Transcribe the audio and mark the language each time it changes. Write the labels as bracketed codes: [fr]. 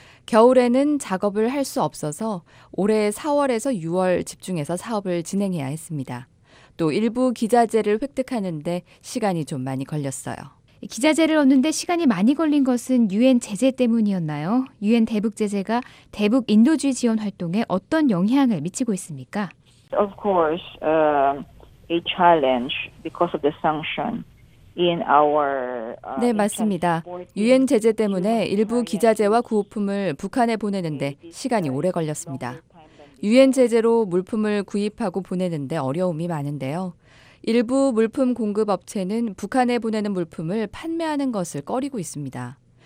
[ko] 겨울에는 작업을 할 수 없어서 올해 4월에서 6월 집중해서 사업을 진행해야 했습니다. 또 일부 기자재를 획득하는데 시간이 좀 많이 걸렸어요. 기자재를 얻는데 시간이 많이 걸린 것은 유엔 제재 때문이었나요? 유엔 대북 제재가 대북 인도주의 지원 활동에 어떤 영향을 미치고 있습니까? [en] Of course, a challenge because of the sanction. [ko] 네, 맞습니다. 유엔 제재 때문에 일부 기자재와 구호품을 북한에 보내는데 시간이 오래 걸렸습니다. 유엔 제재로 물품을 구입하고 보내는데 어려움이 많은데요. 일부 물품 공급 업체는 북한에 보내는 물품을 판매하는 것을 꺼리고 있습니다.